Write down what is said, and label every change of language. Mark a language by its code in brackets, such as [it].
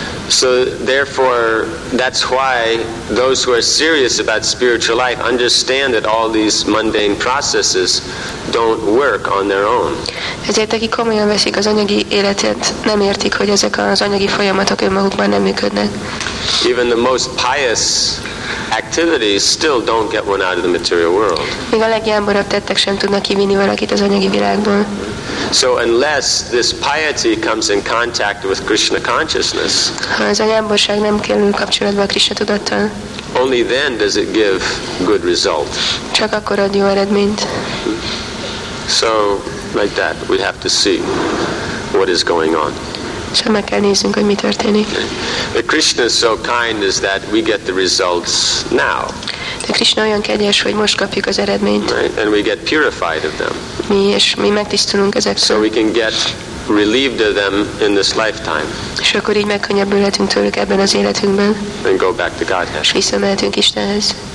[en] So therefore, that's why those who are serious about spiritual life understand that all these mundane processes don't work on their own. [hu] Ezért, akik komolyan veszik az anyagi életet, nem értik, hogy ezek az anyagi folyamatok önmagukban nem működnek. [en] Even the most pious activities still don't get one out of the material world. [hu] Még a legjámborabb tettek sem tudnak kivinni valakit az anyagi világból. [en] So unless this piety comes in contact with Krishna consciousness, [hu] ha ez a jámborság nem kerül kapcsolatba a Krishna tudattal, [en] only then does it give good result. [hu] Csak akkor ad jó eredményt. [en] So like that, we have to see what is going on. [hu] Csak meg kell néznünk, hogy mi történik. [en] The Krishna is so kind is that we get the results now. [hu] De Krishna olyan kedves, hogy most kapjuk az eredményt. [en] Right? And we get purified of them. [hu] Mi és mi megtisztulunk ezekről. [en] So we can get relieved of them in this lifetime. [hu] És akkor így megkönnyebbülhetünk tőlük ebben az életünkben. [en] And go back to Godhead. [hu] És visszamehetünk Istenhez.